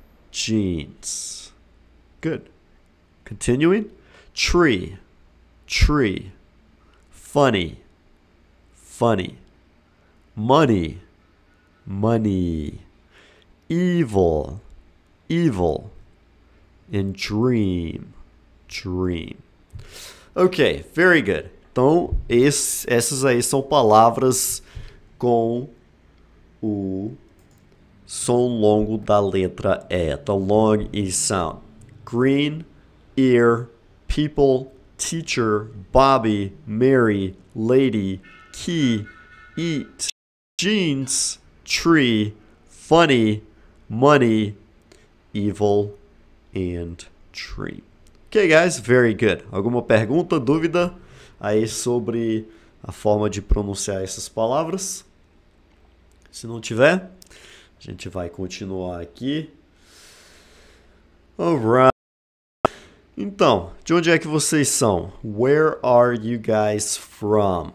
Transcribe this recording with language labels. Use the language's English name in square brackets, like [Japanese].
[English] Jeans. Good. Continuing. Tree. Tree. Funny. Funny. Money. Money. Evil. Evil. And dream. Dream. Ok, very good. [Portuguese] Então, essas aí são palavras com o som longo da letra E. [English] The long E sound. Green, ear, people, teacher, Bobby, Mary, lady, key, eat, jeans, tree, funny, money, evil, and dream. Ok, guys, very good. [Portuguese] Alguma pergunta, dúvida aí sobre a forma de pronunciar essas palavras? Se não tiver, a gente vai continuar aqui. [English] All right. [Portuguese] Então, de onde é que vocês são? [English] Where are you guys from?